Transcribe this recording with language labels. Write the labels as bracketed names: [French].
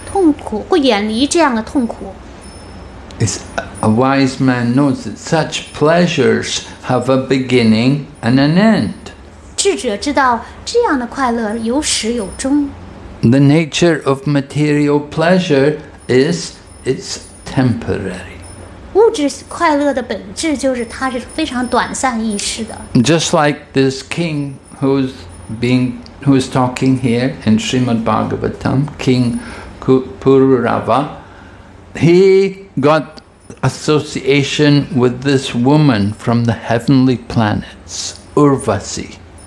[Chinese] 智者不会从那些就是源于感官和感官对象接触而产生的痛苦，会远离这样的痛苦。 [English] A wise man knows that such pleasures have a beginning and an end. [Chinese] 智者知道这样的快乐有始有终。 [English] The nature of material pleasure is it's temporary. [Chinese] 物质快乐的本质就是它是非常短暂易逝的。 [English] Just like this king who is talking here in Srimad Bhagavatam, King Pururava, he got association with this woman from the heavenly planets, Urvasi.